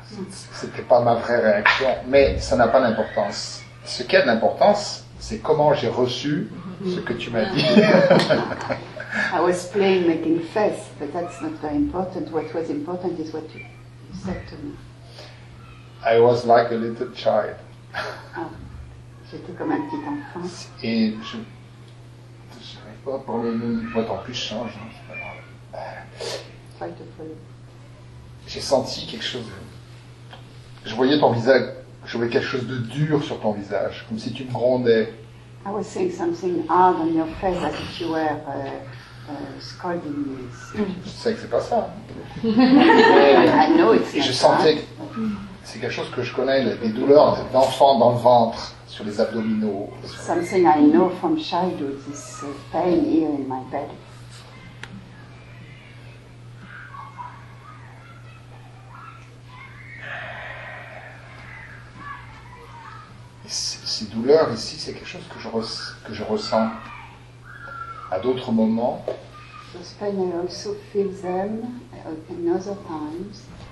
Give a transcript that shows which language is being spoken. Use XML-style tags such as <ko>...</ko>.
<fr>C'était pas ma vraie réaction, mais ça n'a pas d'importance. Ce qui a de l'importance, c'est comment j'ai reçu ce que tu m'as dit.</fr> <en>I was playing, making face, but that's not very important. What was important is what you said to me. I was like a little child.</en> <fr>J'étais comme un petit enfant. Et je ne savais pas pour le nom. Moi, tant pis, je change. Hein, c'est pas grave.</fr> <en>Try to follow.</en> <fr>J'ai senti quelque chose. Je voyais ton visage. Je voyais quelque chose de dur sur ton visage, comme si tu me grondais.</fr> <en>I was seeing something hard on your face, as if you were scolding me.</en> <fr>Tu sais que c'est pas ça.</fr> <en>I know it's not.</en> <fr>Je sentais. C'est quelque chose que je connais, des douleurs d'enfant dans le ventre, sur les abdominaux.</fr> <en>Something I know from childhood, this pain here in my belly.</en> <fr>Ces douleurs ici, c'est quelque chose que je ressens à d'autres moments.</fr> <en>This pain I also feel them in other times.</en>